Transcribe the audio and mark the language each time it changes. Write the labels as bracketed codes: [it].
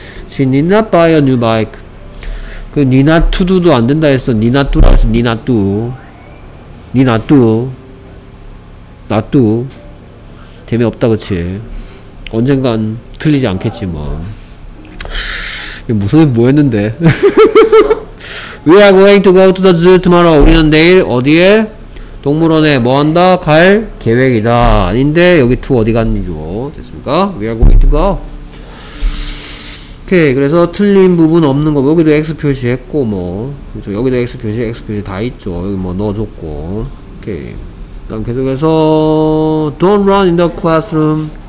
[en] She need not buy a new bike. 그 need not to do도 [ko] 안 된다 했어. [en] Need not to 해서 need not do. Need not do. Not do. [ko] 재미없다 그치. 언젠간 틀리지 않겠지 뭐. 이게 무슨 뭐였는데. [en] We are going to go to the zoo tomorrow. [ko] 우리는 내일 어디에? 동물원에 뭐한다? 갈 계획이다. 아닌데 여기 to 어디 갔니죠? 됐습니까? [en] We are going to go. 오케이. [ko] 그래서 틀린 부분 없는 거 여기도 X 표시했고 뭐 그렇죠. 여기도 X 표시, X 표시 다 있죠. 여기 뭐 넣어줬고. 오케이. 그럼 계속해서 [en] Don't run in the classroom.